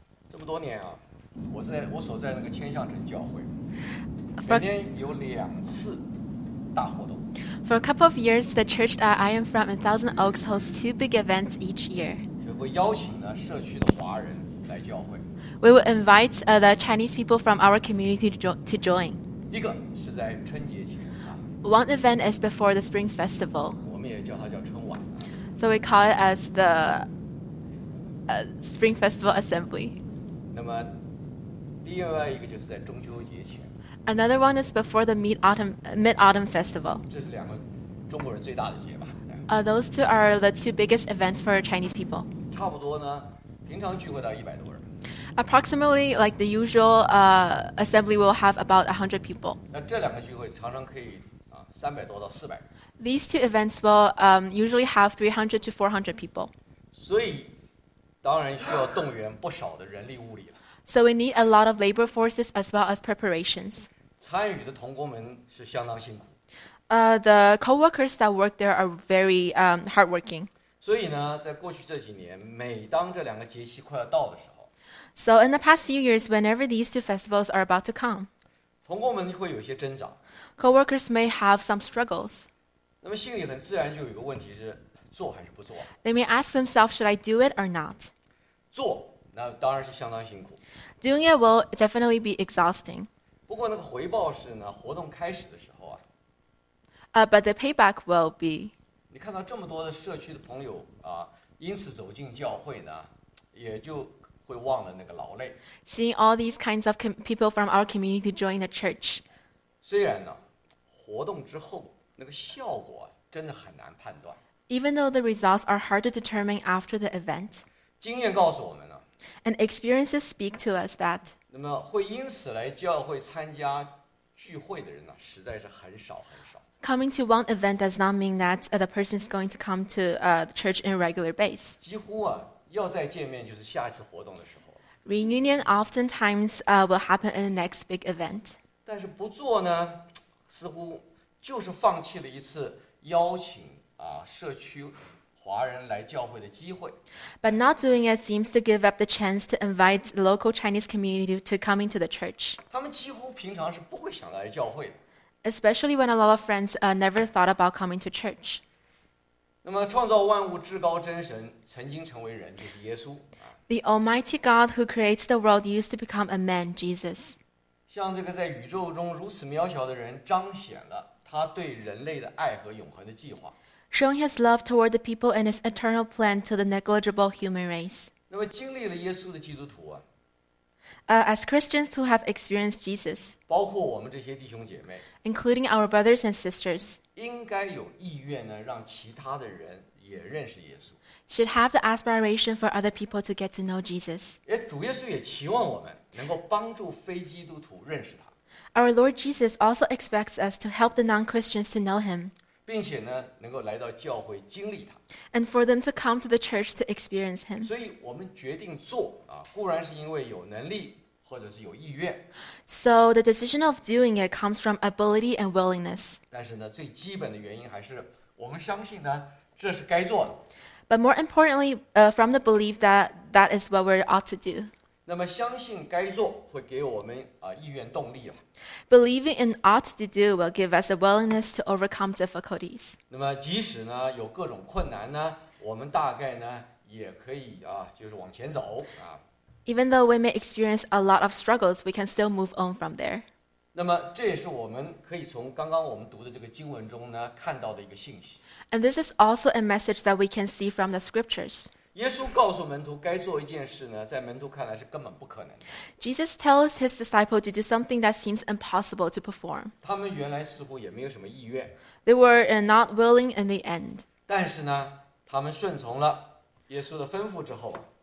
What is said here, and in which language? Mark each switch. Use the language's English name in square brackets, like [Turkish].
[Chinese] 这么多年啊，我所在那个千象城教会，每 [English] For [Chinese] 年有2次大活动。 [English] a couple of years, the church that I am from in Thousand Oaks hosts two big events each year. [Chinese] 就会邀请呢社区的华人来教会。 [English] We will invite the Chinese people from our community to join. [Chinese] 一个是在春节前啊。 [English] One event is before the Spring Festival. [Chinese] 我们也叫它叫春晚。 [English] So we call it as the Spring Festival Assembly. [Chinese] 那么另外一个就是在中秋节前。 [English] Another one is before the Mid-Autumn Festival. [Chinese] 这是两个中国人最大的节吧。 [English] Those two are the two biggest events for Chinese people. [Chinese] 差不多呢，平常聚会到100多人。 [English] Approximately, like the usual assembly will have about 100 people. [Chinese] 那这两个聚会常常可以啊，300多到400。 [English] These two events will usually have 300 to 400 people. [Chinese] 所以当然需要动员不少的人力物力了。 [English] So we need a lot of labor forces as well as preparations. [Chinese] 参与的同工们是相当辛苦。 [English] The co-workers that work there are very hardworking. [Chinese] 所以呢，在过去这几年，每当这两个节气快要到的时候 [English] ，So in the past few years, whenever these two festivals are about to come, [Chinese] 同工们会有些挣扎。 [English] Co-workers may have some struggles. [Chinese] 那么心里很自然就有一个问题是做还是不做 [English] ？They may ask themselves, should I do it or not? [Chinese] 做。那当然是相当辛苦。 [English] Doing it will definitely be exhausting. [Chinese] 不过那个回报是呢，活动开始的时候啊。 [English] But the payback will be. [Chinese] 你看到这么多的社区的朋友啊，因此走进教会呢，也就会忘了那个劳累。 [English] Seeing all these kinds of people from our community join the church. [Chinese] 虽然呢，活动之后那个效果真的很难判断。 [English] Even though the results are hard to determine after the event. [Chinese] 经验告诉我们。 [English] And experiences speak to us that. [Chinese] 那么会因此来教会参加聚会的人呢，实在是很少很少。 [English] Coming to one event does not mean that the person is going to come to the church in a regular base. [Chinese] 几乎啊，要再见面就是下一次活动的时候。 [English] Reunion oftentimes will happen in the next big event. [Chinese] 但是不做呢，似乎就是放弃了一次邀请啊社区。华人来教会的机会 [English] ，But not doing it seems to give up the chance to invite the local Chinese community to come into the church. [Chinese] 他们几乎平常是不会想来教会的 [English] ，Especially when a lot of friends never thought about coming to church. [Chinese] 那么，创造万物至高真神曾经成为人，就是耶稣。 [English] The Almighty God who creates the world used to become a man, Jesus. [Chinese] 像这个在宇宙中如此渺小的人，彰显了他对人类的爱和永恒的计划。 [English] Showing his love toward the people and his eternal plan to the negligible human race. [Chinese] 那么经历了耶稣的基督徒啊 [English] As Christians who have experienced Jesus, [Chinese] 包括我们这些弟兄姐妹 [English] including our brothers and sisters, [Chinese] 应该有意愿呢，让其他的人也认识耶稣 [English] should have the aspiration for other people to get to know Jesus. [Chinese] 主耶稣也期望我们能够帮助非基督徒认识他 [English] Our Lord Jesus also expects us to help the non-Christians to know him. [Chinese] 并且呢，能够来到教会经历他。 [English] And for them to come to the church to experience him. [Chinese] 所以我们决定做啊，固然是因为有能力或者是有意愿。 [English] So the decision of doing it comes from ability and willingness. [Chinese] 但是呢，最基本的原因还是我们相信呢，这是该做的。 [English] But more importantly, from the belief that that is what we ought to do. [Chinese] 那么相信该做会给我们啊意愿动力了。 [English] Believing in ought to do will give us a willingness to overcome difficulties. [Chinese] 那么即使呢有各种困难呢，我们大概呢也可以啊，就是往前走啊。 [English] Even though we may experience a lot of struggles, we can still move on from there. [Chinese] 那么这也是我们可以从刚刚我们读的这个经文中呢看到的一个信息。 [English] And this is also a message that we can see from the scriptures. [Chinese] 耶稣告诉门徒该做一件事呢，在门徒看来是根本不可能的。 [English] Jesus tells his disciples to do something that seems impossible to perform. [Chinese] 他们原来似乎也没有什么意愿。 [English] They were not willing in the end. [Chinese] 但是呢，他们顺从了耶稣的吩咐之后。